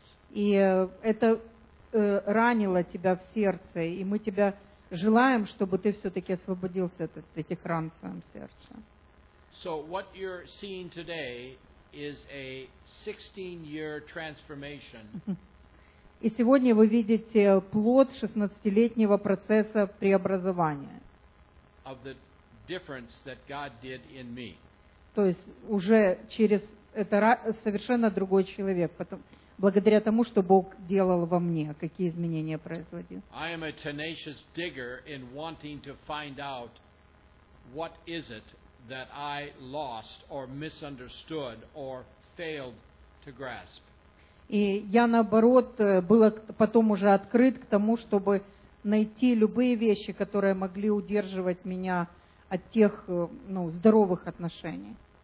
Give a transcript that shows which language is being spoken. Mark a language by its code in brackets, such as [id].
[ru] И это ранило тебя в сердце, и мы тебя желаем, чтобы ты все-таки освободился от этих ран в своем сердце. [en] So what you're seeing today is a 16-year transformation. [ru] И сегодня вы видите плод 16-летнего процесса преобразования. [en] Of the difference that God did in me. [ru] То есть уже через это совершенно другой человек, потом благодаря тому, что Бог делал во мне, какие изменения производил. [en] I am a tenacious digger in wanting to find out what is it that I lost or misunderstood or failed to grasp. [ru] И я наоборот был потом уже открыт к тому, чтобы найти любые вещи, которые могли удерживать меня от тех, ну, здоровых отношений.